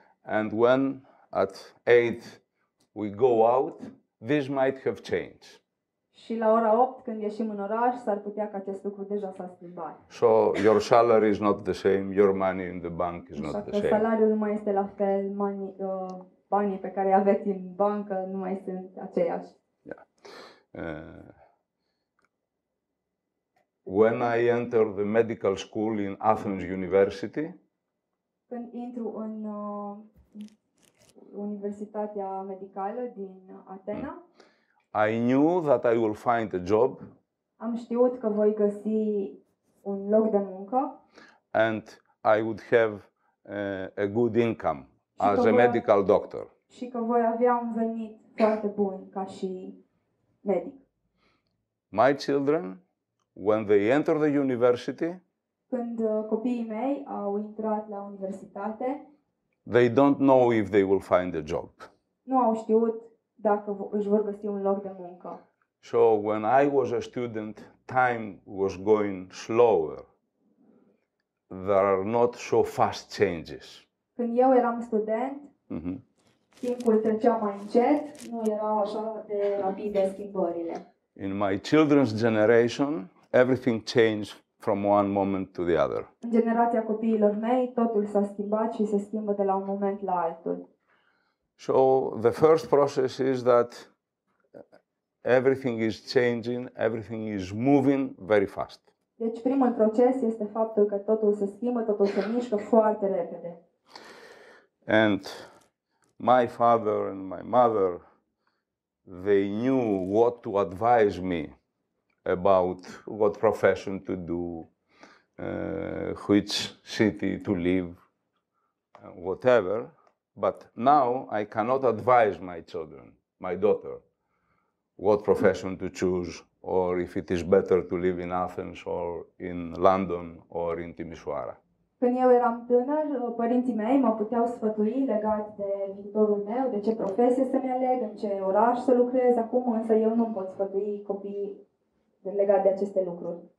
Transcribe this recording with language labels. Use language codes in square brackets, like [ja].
[en] And when at 8 we go out, this might have changed. [ro] Și la ora 8 când ieșim în oraș, s-ar putea ca acest lucru deja s-a schimbat. [en] So your salary is not the same, your money in the bank is not the same. [ro] Salariul nu mai este la fel, banii pe care îi aveți în bancă nu mai sunt aceiași. Yeah. [en] When I enter the medical school in Athens University. [ro] Când intru în Universitatea Medicală din Atena. [en] I knew that I will find a job. [ro] Am știut că voi găsi un loc de muncă. [en] And I would have a good income as a medical doctor. [ro] Și că voi avea un venit foarte bun ca și medic. [en] My children, when they enter the university, [ro] când copiii mei au intrat la universitate, [en] they don't know if they will find a job. [ro] Nu au știut dacă își vor găsi un loc de muncă. [en] So when I was a student, time was going slower. There are not so fast changes. [ro] Când eu eram student, timpul trecea mai încet, nu erau așa de rapide schimbările. [en] In my children's generation, everything changed from one moment to the other. [ro] În generația copiilor mei, totul s-a schimbat și se schimbă de la un moment la altul. [en] So the first process is that everything is changing, everything is moving very fast. [ro] Deci primul proces este faptul că totul se schimbă, totul se mișcă foarte repede. [en] And my father and my mother, they knew what to advise me about what profession to do, which city to live, whatever. But now I cannot advise my children, my daughter, what profession to choose, or if it is better to live in Athens or in London or in Timișoara. [ro] Când eu eram tânăr, părinții mei mă puteau sfătui legat de viitorul meu, de ce profesie să-mi aleg, în ce oraș să lucrez. Acum însă eu nu pot sfătui copiii legat de aceste lucruri.